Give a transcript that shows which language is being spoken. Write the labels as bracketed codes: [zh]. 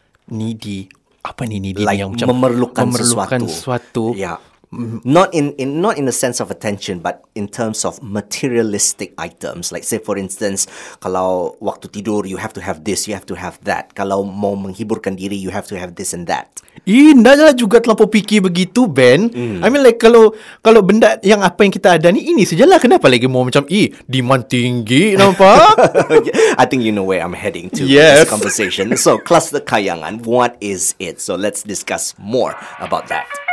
[ms] Needy? Apa ni needy? [en] Like [ms] yang memerlukan sesuatu. [en] Yeah. Not in the sense of attention, but in terms of materialistic items. Like say for instance, [ms] kalau waktu tidur [en] you have to have this, you have to have that. [ms] Kalau mau menghiburkan diri, [en] you have to have this and that. [ms] Indahnya juga terlalu picky begitu, Ben. [en] I mean like [ms] kalau benda yang apa yang kita ada ni, ini sajalah. Kenapa lagi mau macam demand tinggi nampak? [en] I think you know where I'm heading to. Yes. This conversation. So Kluster Kayangan, what is it? So let's discuss more about that.